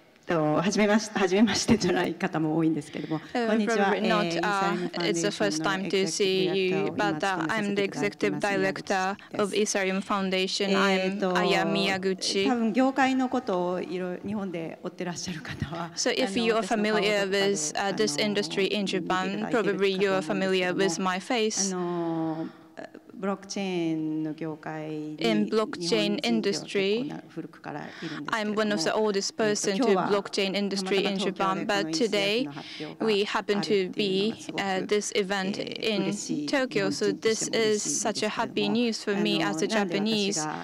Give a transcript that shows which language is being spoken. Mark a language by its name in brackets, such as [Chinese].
[Japanese] はじめましてじゃない方も多いんですけれども、こんにちは。 [English] Not, it's the first time to see you, but I'm the executive director of Ethereum Foundation. I'm Aya Miyaguchi. [Japanese] 多分業界のことをいろいろ日本で追ってらっしゃる方は、 [English] So if you are familiar with this industry in Japan, probably you are familiar with my face. In blockchain industry, I'm one of the oldest person to blockchain industry in Japan, but today we happen to be this event in Tokyo, so this is such a happy news for me as a Japanese.